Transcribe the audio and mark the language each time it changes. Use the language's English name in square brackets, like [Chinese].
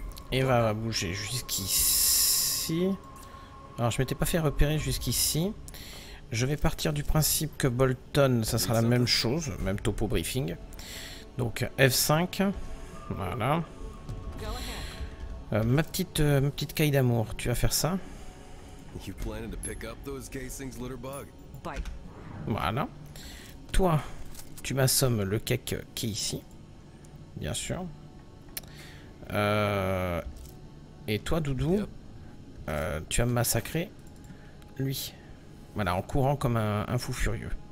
[French] Eva va bouger jusqu'ici. Alors, je m'étais pas fait repérer jusqu'ici. Je vais partir du principe que Bolton, ça sera la même chose, même topo briefing. Donc, F5. Voilà. Ma petite caille d'amour, tu vas faire ça. [English] You planning to pick up those casings, Litterbug? [French] Bye. Voilà. Toi, tu m'assommes le cake qui est ici. Bien sûr. Et toi, Doudou, yep. Tu as massacré lui. Voilà, en courant comme un fou furieux.